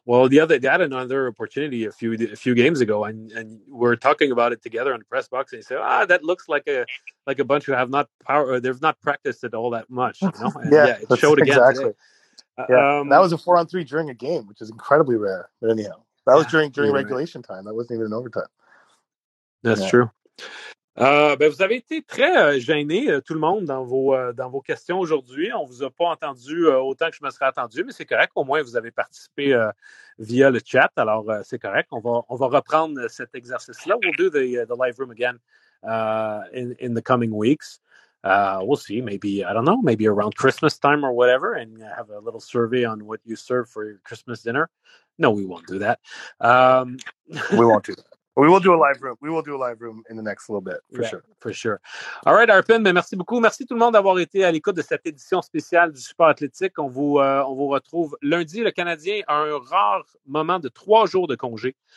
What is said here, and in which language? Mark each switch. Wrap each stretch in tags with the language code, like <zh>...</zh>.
<en>Well, they had another opportunity a few games ago, and we're talking about it together on the press box, and you say, that looks like a bunch who have not power, or they've not practiced it all that much. You know? it showed again. Exactly. That was a 4-on-3 during a game, which is incredibly rare. But anyhow, that was during regulation time. That wasn't even an overtime. That's true.</en> <fr>Vous avez été très gêné, tout le monde, dans vos questions aujourd'hui. On ne vous a pas entendu autant que je me serais attendu, mais c'est correct. Au moins, vous avez participé via le chat. Alors, c'est correct. On va reprendre cet exercice-là.</fr> <en>We'll do the live room again in the coming weeks. We'll see. Maybe, I don't know, maybe around Christmas time or whatever, and have a little survey on what you serve for your Christmas dinner. No, we won't do that. We won't do that. We will do a live room. We will do a live room in the next little bit, for sure. All right,</en> <fr>Arpin, ben merci beaucoup. Merci tout le monde d'avoir été à l'écoute de cette édition spéciale du Super Athlétique. On vous retrouve lundi. Le Canadien a un rare moment de 3 jours de congé.</fr>